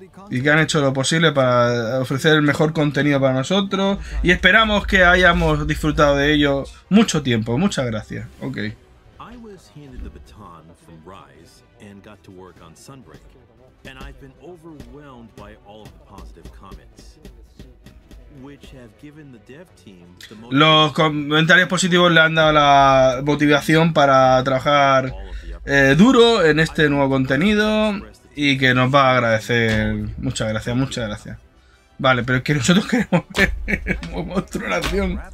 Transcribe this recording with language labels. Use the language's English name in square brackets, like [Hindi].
[Spanish] Y que han hecho lo posible para ofrecer el mejor contenido para nosotros. Y esperamos que hayamos disfrutado de ello mucho tiempo. Muchas gracias. Ok. [English] I was handed the baton from Rise and got to work on Sunbreak. And I've been overwhelmed by all of the positive comments, which have given the dev team the motivation. [Spanish] Los comentarios positivos le han dado la motivación para trabajar duro en este nuevo contenido y que nos va a agradecer. Muchas gracias, muchas gracias. Vale, pero es que nosotros queremos ver monstruación.